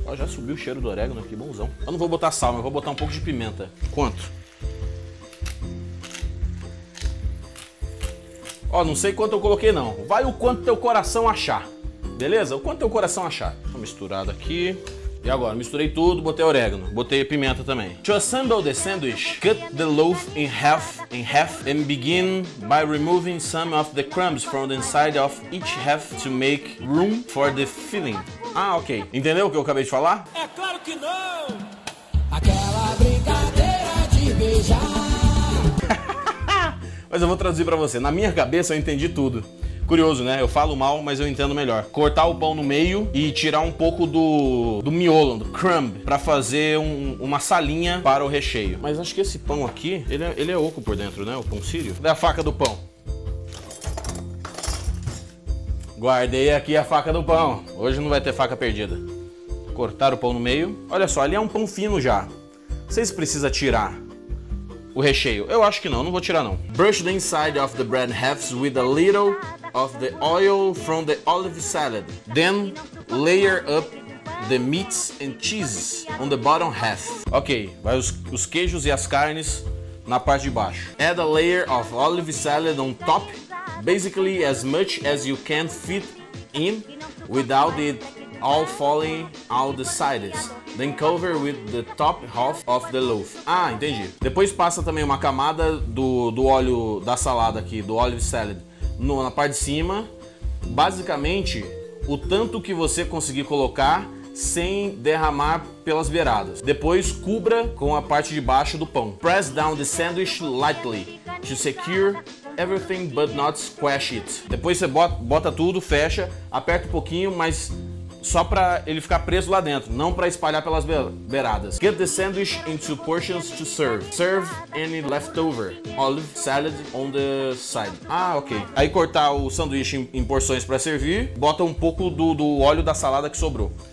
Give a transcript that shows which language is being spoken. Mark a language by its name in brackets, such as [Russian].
[Portuguese] Ó, já subiu o cheiro do orégano aqui, bonzão. Eu não vou botar sal, mas vou botar um pouco de pimenta. Quanto? Ó, não sei quanto eu coloquei, não. Vai o quanto teu coração achar. Beleza? O quanto teu coração achar. Tá misturado aqui. E agora, misturei tudo, botei orégano, botei pimenta também. [English] To assemble the sandwich, cut the loaf in half and begin by removing some of the crumbs from the inside of each half to make room for the filling. [Portuguese] Ah, ok. Entendeu o que eu acabei de falar? É claro que não! Aquela brincadeira de beijar. Mas eu vou traduzir pra você. Na minha cabeça eu entendi tudo. Curioso, né? Eu falo mal, mas eu entendo melhor. Cortar o pão no meio e tirar um pouco do miolo, do crumb, pra fazer uma salinha para o recheio. Mas acho que esse pão aqui, ele é oco por dentro, né? O pão sírio. Cadê a faca do pão? Guardei aqui a faca do pão. Hoje não vai ter faca perdida. Cortar o pão no meio. Olha só, ali é um pão fino já. Não sei se precisa tirar o recheio. Eu acho que não, não vou tirar não. [English] Brush the inside of the bread halves with a little of the oil from the olive salad. Then layer up the meats and cheeses on the bottom half. [Portuguese] Ok, vai os queijos e as carnes na parte de baixo. [English] Add a layer of olive salad on top, basically as much as you can fit in without it all falling out the sides. Then cover with the top half of the loaf. [Portuguese] Ah, entendi. Depois passa também uma camada do óleo da salada aqui, do olive salad, na parte de cima. Basicamente, o tanto que você conseguir colocar sem derramar pelas beiradas. Depois cubra com a parte de baixo do pão. [English] Press down the sandwich lightly to secure everything but not squash it. [Portuguese] Depois você bota tudo, fecha, aperta um pouquinho, mas só pra ele ficar preso lá dentro, não pra espalhar pelas beiradas. [English] Get the sandwich into portions to serve. Serve any leftover olive salad on the side. Ah, ok. [Portuguese] Aí cortar o sanduíche em porções pra servir, bota um pouco do óleo da salada que sobrou.